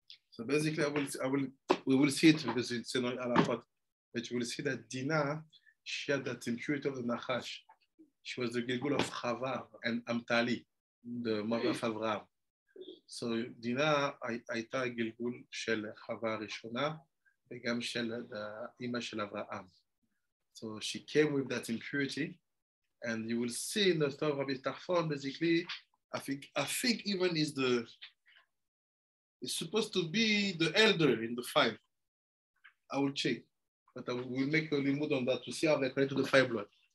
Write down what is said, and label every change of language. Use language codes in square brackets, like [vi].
[en] So basically, we will see it because it's in Alaphat, but you will see that Dina, she had that impurity of the Nachash. She was the Gilgul of Chava and Amtali, the mother of Avraham. [he] So Dina הייתה גלגול של חווה הראשונה וגם של אמא של אברהם. [en] So she came with that impurity, and you will see in the story of Rabbi Tarfon, basically, I think even is the, it's supposed to be the elder in the five. I will check, but I will make a limud on that to see how they connect to the five blood.